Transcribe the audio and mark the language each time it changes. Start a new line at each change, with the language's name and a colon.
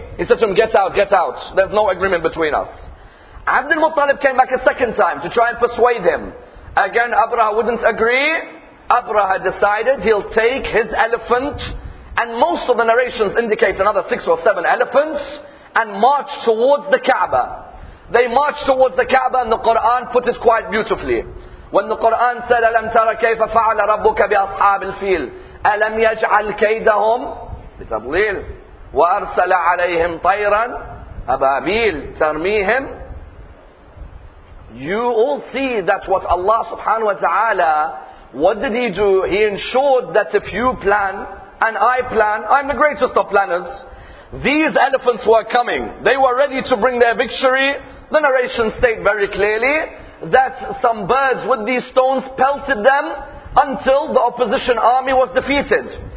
English: He said to him, get out, get out. There's no agreement between us. Abd al-Muttalib came back a second time to try and persuade him. Again, Abraha wouldn't agree. Abraha decided he'll take his elephant, and most of the narrations indicate another 6 or 7 elephants, and march towards the Kaaba. They march towards the Kaaba, and the Quran put it quite beautifully. When the Quran said,
Arabic: أَلَمْ تَرَ كَيْفَ فَعَلَ رَبُّكَ بِأَصْحَابِ الْفِيلِ أَلَمْ يَجْعَلْ كَيْدَهُمْ بِتَضْلِيلٍ وَأَرْسَلَ عَلَيْهِمْ طَيْرًا أَبَابِيلَ تَرْمِيهِمْ.
English: You all see that what Allah subhanahu wa ta'ala, what did He do? He ensured that if you plan and I plan, I'm the greatest of planners, these elephants were coming. They were ready to bring their victory. The narration state very clearly that some birds with these stones pelted them until the opposition army was defeated.